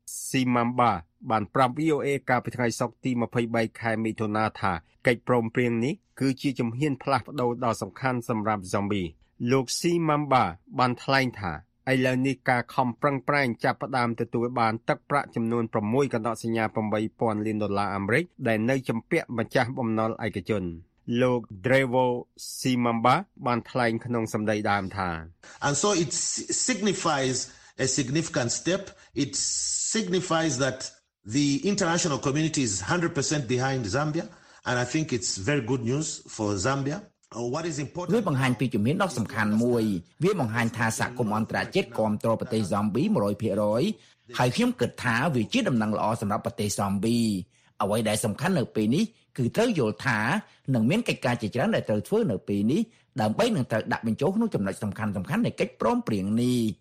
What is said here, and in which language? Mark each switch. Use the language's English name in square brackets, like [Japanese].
[Khmer] Simamba បានប្រាប់ VOA កាលពីថ្ងៃសុក្រទី23ខែមិថុនាថាកិច្ចព្រមព្រៀងនេះគឺជាជំហានផ្លាស់ប្តូរដ៏សំខាន់សម្រាប់ស៊ំប៊ីលោក Simamba បានថ្លែងថាឥឡូវនេះការខំប្រឹងប្រែងចាប់ផ្តើមទទួលបានទឹកប្រាក់ចំនួន6កណ្ដោសញ្ញា$8,000អាមេរិកដែលនៅជំពាក់ម្ចាស់បំណុលឯកជនលោក Trevor Simamba បានថ្លែងក្នុងសម្ដីដើមថា [English] And so it signifies a significant step it signifies that the international community is 100% behind Zambia and I think it's very good news for Zambia what is important [Khmer] វាបង្ហាញពីជំហានដ៏សំខាន់មួយវាបង្ហាញថាសហគមន៍អន្តរជាតិគាំទ្រប្រទេសស៊ំប៊ី 100% ហើយខ្ញុំគិតថាវាជាដំណឹងល្អសម្រាប់ប្រទេសស៊ំប៊ីអ្វីដែលសំខាន់នៅពេលនេះគឺត្រូវយល់ថានឹងមានកិច្ចការជាច្រើនដែលត្រូវធ្វើនៅពេលនេះដើម្បីនឹងត្រូវដាក់បញ្ចូលក្នុងចំណុចសំខាន់ៗនៃកិច្ចព្រមព្រៀងនេះ